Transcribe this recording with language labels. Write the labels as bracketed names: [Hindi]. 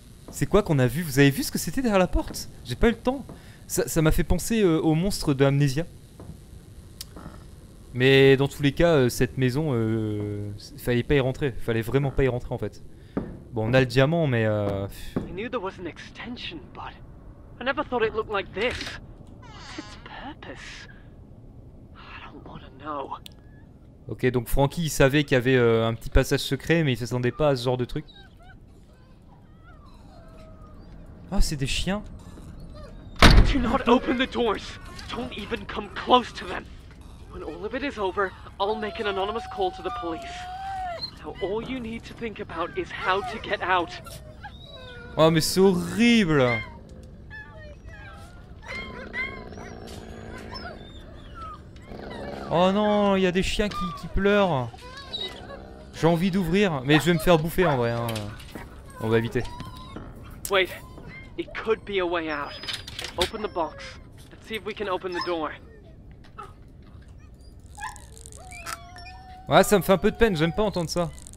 [French] C'est quoi qu'on a vu? Vous avez vu ce que c'était derrière la porte? J'ai pas eu le temps. Ça m'a fait penser au monstre de Amnesia. Mais dans tous les cas, cette maison, fallait vraiment pas y rentrer en fait. Bon, on a le diamant, mais [English] I knew there was an extension, but I never thought it looked like this. What's its purpose? I don't wanna know. [French] Ok, donc Frankie, il savait qu'il y avait un petit passage secret, mais il s'attendait pas à ce genre de truc. Oh, c'est des chiens. [English] Do not open the doors. Don't even come close to them. When all of it is over, I'll make an anonymous call to the police. Now all you need to think about is how to get out. [French] Oh mais c'est horrible. Oh non, il y a des chiens qui pleurent. J'ai envie d'ouvrir, mais je vais me faire bouffer en vrai. Hein. On va éviter. [English] Wait, it could be a way out. Open the box. Let's see if we can open the door. [French] Ouais, ça me fait un peu de peine, j'aime pas entendre ça.